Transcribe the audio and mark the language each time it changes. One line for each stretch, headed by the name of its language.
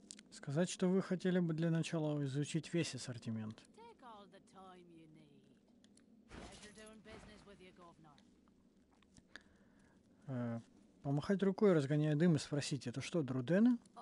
Russian: Сказать, что вы хотели бы для начала изучить весь ассортимент.
English: Take all the time you need. Pleasure doing business with you, Governor.
Russian: Помахать рукой, разгоняя дым, и спросить, это что, друдены?